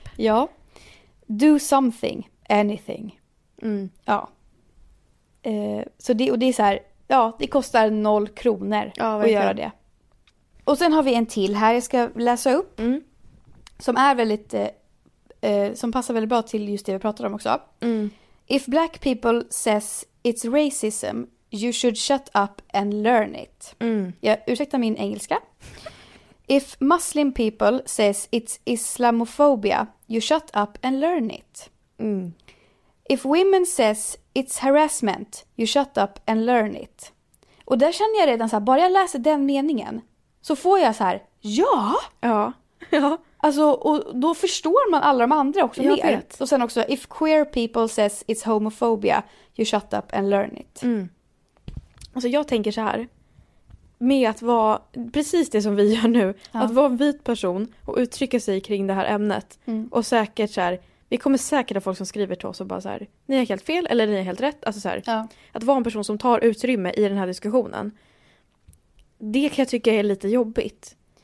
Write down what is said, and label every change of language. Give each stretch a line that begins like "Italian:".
Swedish: Ja.
English: Do something, anything. Mm.
Swedish: Ja. Så det, och det är så här, ja, det kostar 0 kronor ja, att göra det. Och sen har vi en till här jag ska läsa upp. Mm. Som är väldigt, som passar väldigt bra till just det vi pratade om också. Mm.
English: If black people says it's racism, you should shut up and learn it. Mm.
Swedish: Jag ursäktar min engelska.
English: If Muslim people says it's Islamophobia, you shut up and learn it. Mm. If women says it's harassment, you shut up and learn it.
Swedish: Och där känner jag redan så här, bara jag läser den meningen så får jag så här, ja! Ja, ja. Alltså, och då förstår man alla de andra också jag mer. Vet. Och sen också,
English: if queer people says it's homophobia, you shut up and learn it. Mm.
Swedish: Alltså jag tänker så här, med att vara precis det som vi gör nu, ja. Att vara en vit person och uttrycka sig kring det här ämnet. Mm. Och säkert så här, vi kommer säkert ha folk som skriver till oss och bara så här, ni har helt fel eller ni har helt rätt. Alltså så här, ja. Att vara en person som tar utrymme i den här diskussionen, det kan jag tycka är lite jobbigt.